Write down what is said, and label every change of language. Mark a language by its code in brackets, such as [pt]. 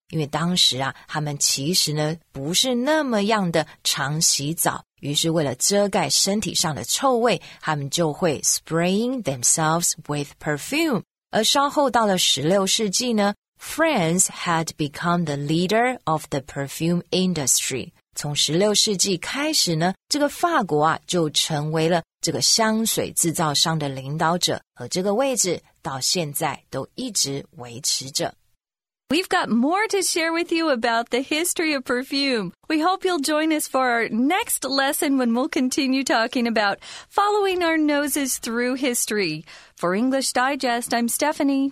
[zh] 因为当时啊，他们其实呢不是那么样的常洗澡，于是为了遮盖身体上的臭味，他们就会 [en] spraying themselves with perfume。 [zh] 而稍后到了16世纪呢， [en] France had become the leader of the perfume industry。 [zh] 从16世纪开始呢，这个法国啊就成为了这个香水制造商的领导者，和这个位置到现在都一直维持着。 [en] We've got more to share with you about the history of perfume. We hope you'll join us for our next lesson when we'll continue talking about following our noses through history. For English Digest, I'm Stephanie.